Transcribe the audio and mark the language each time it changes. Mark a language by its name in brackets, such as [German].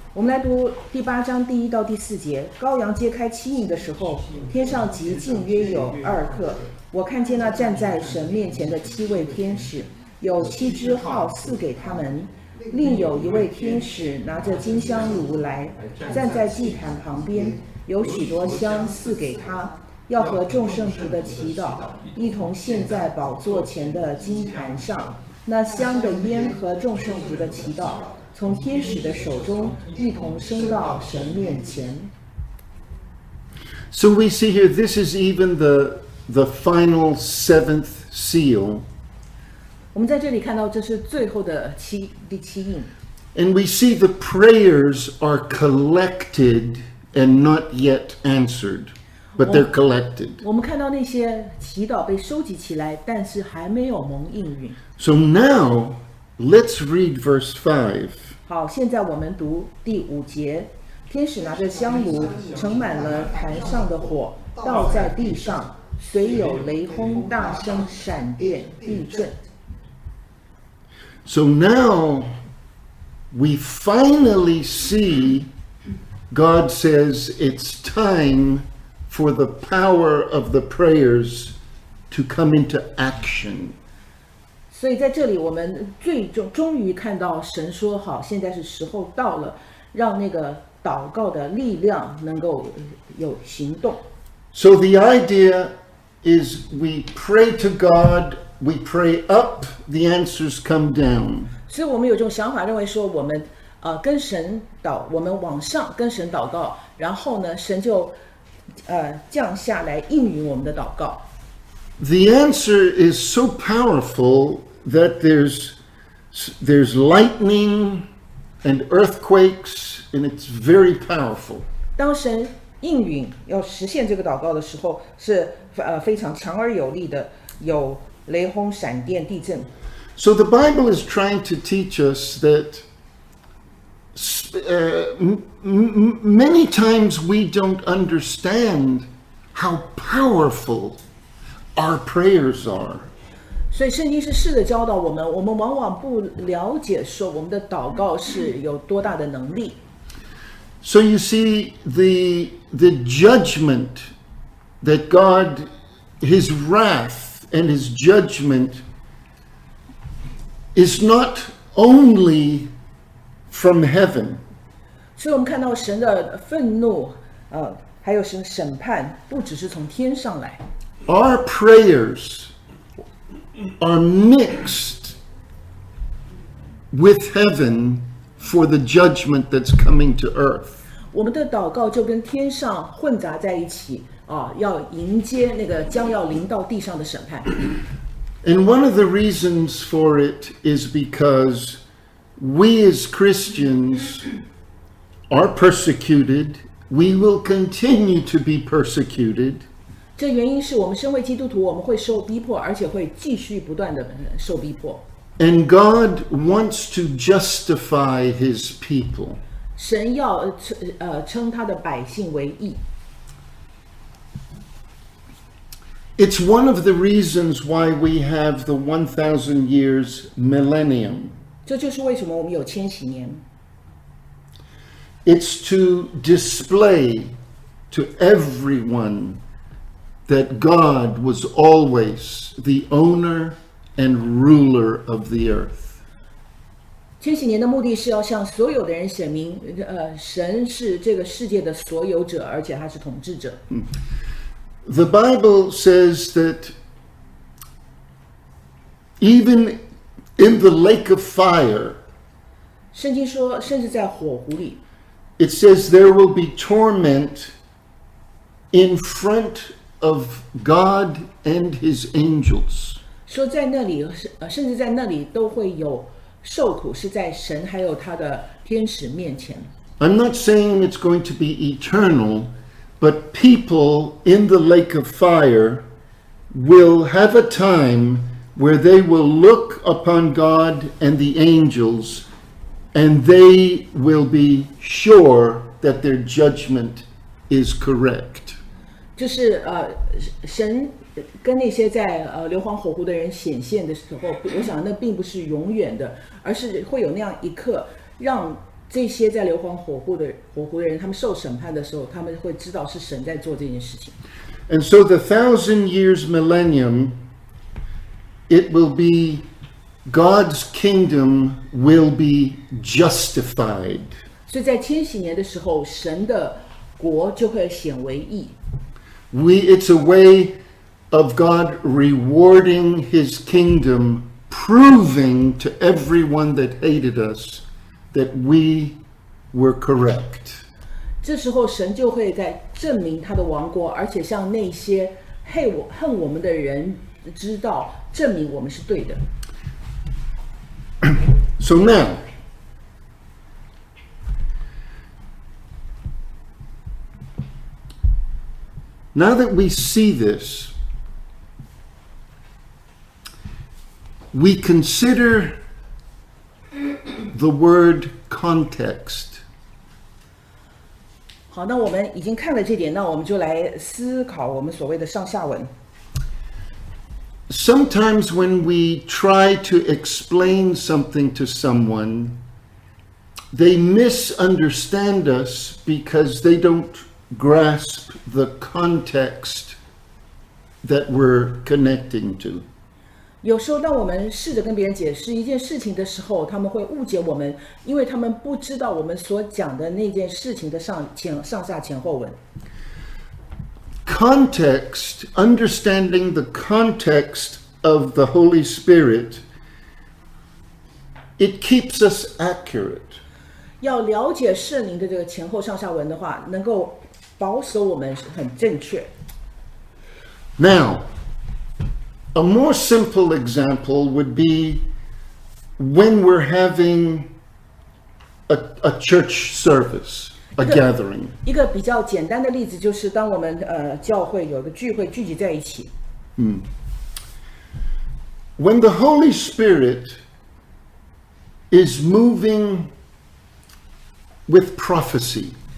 [Chinese] 我们来读第八章第一到第四节。羔羊揭开七印的时候，天上极近约有二刻，我看见那站在神面前的七位天使，有七支号赐给他们，另有一位天使拿着金香炉来，站在祭坛旁边，有许多香赐给他，要和众圣徒的祈祷一同献在宝座前的金坛上。那香的烟和众圣徒的祈祷从天使的手中一同升到神面前。 [English] So we see here, this is even the final seventh seal. [Chinese] 我们在这里看到这是最后的第七印。 [English] And we see the prayers are collected and not yet answered, but they're collected. [Chinese] 我们看到那些祈祷被收集起来，但是还没有蒙应允。 [English] So now, let's read verse 5. [Chinese] 好，现在我们读第五节。天使拿着香炉，盛满了坛上的火，倒在地上，随有雷轰、大声、闪电、地震。 [English] So now we finally see God says it's time for the power of the prayers to come into action. [Chinese] 所以在这里我们最终于看到神说好，现在是时候到了，让那个祷告的力量能够有行动。 [English] So the idea is we pray to God, we pray up, the answers come down. [Chinese] 所以我们有这种想法，认为说我们跟神祷，我们往上跟神祷告，然后呢神就降下来应允我们的祷告。 [English] The answer is so powerful that there's lightning and earthquakes, and it's very powerful. [Chinese] 当神应允要实现这个祷告的时候，是非常强而有力的，有雷轰、闪电、地震。 [English] So the Bible is trying to teach us that many times we don't understand how powerful. Our prayers are. [Chinese] 所以圣经是试着教导我们，我们往往不了解说我们的祷告是有多大的能力。 [English] So you see, the judgment that God, his wrath and his judgment is not only from heaven. [Chinese] 所以我们看到神的愤怒，还有神审判，不只是从天上来。 [English] Our prayers are mixed with heaven for the judgment that's coming to earth. [Chinese] 我们的祷告就跟天上混杂在一起，要迎接那个将要临到地上的审判。 [English] And one of the reasons for it is because we as Christians are persecuted. We will continue to be persecuted. [Chinese] 这原因是我们身为基督徒，我们会受逼迫，而且会继续不断的受逼迫。 [English] And God wants to justify His people. [Chinese] 神要称他的百姓为义。 [English] It's one of the reasons why we have the 1,000 years millennium. [Chinese] 这就是为什么我们有千禧年。 [English] It's to display to everyone. That God was always the owner and ruler of the earth. [Chinese] 千禧年的目的是要向所有的人显明，神是这个世界的所有者，而且他是统治者。 [English] The Bible says that even in the lake of fire, [Chinese] 圣经说甚至在火湖里, [English] it says there will be torment in front of God and his angels. [Chinese] 说在那里, 甚至在那里都会有受苦是在神还有他的天使面前。 [English] I'm not saying it's going to be eternal, but people in the lake of fire will have a time where they will look upon God and the angels, and they will be sure that their judgment is correct. [Chinese] 就是神跟那些在硫磺火湖的人显现的时候，我想那并不是永远的，而是会有那样一刻让这些在硫磺火湖的人，他们受审判的时候，他们会知道是神在做这件事情。 [English] And so the thousand years millennium, it will be God's kingdom will be justified. [Chinese] 所以在千禧年的时候，神的国就会显为义。 [English] It's a way of God rewarding His kingdom, proving to everyone that hated us. That we were correct. [Chinese] 这时候神就会在证明他的王国，而且向那些恨我们的人知道，证明我们是对的。 [English] So now, now that we see this, we consider. The word context. [Chinese] 好，那我们已经看了这点，那我们就来思考我们所谓的上下文。 [English] Sometimes when we try to explain something to someone, they misunderstand us because they don't grasp the context that we're connecting to. [Chinese] 有时候当我们试着跟别人解释一件事情的时候，他们会误解我们，因为他们不知道我们所讲的那件事情的上下前后文。 [English] Context, understanding the context of the Holy Spirit, it keeps us accurate. [Chinese] 要了解圣灵的这个前后上下文的话，能够保守我们很正确。 [English] Now,A more simple example would be when we're having a church service, a gathering. [Chinese] 一个比较简单的例子就是当我们教会有个聚会聚集在一起。 [English] When the Holy Spirit is moving with prophecy.